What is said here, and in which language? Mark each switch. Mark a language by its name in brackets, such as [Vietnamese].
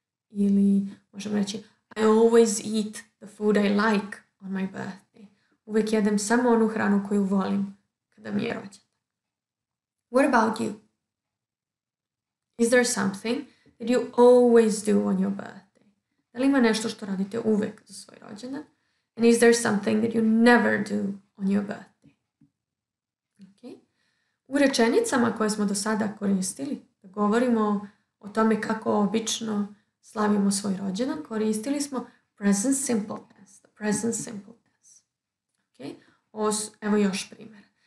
[Bosnian] Ili možemo reći, [English] I always eat the food I like on my birthday. [Bosnian] Uvijek jedem samo onu hranu koju volim kada mi je rođendan. [English] What about you? Is there something that you always do on your birthday? [Bosnian] Da li ima nešto što radite uvijek za svoj rođendan? [English] And is there something that you never do on your birthday? [Bosnian] Okay. U rečenicama koje smo do sada koristili, da govorimo o tome kako obično slavimo svoj rođendan, koristili smo present simple tense. [English] The present simple tense. Okay. [Bosnian] Evo još primjer.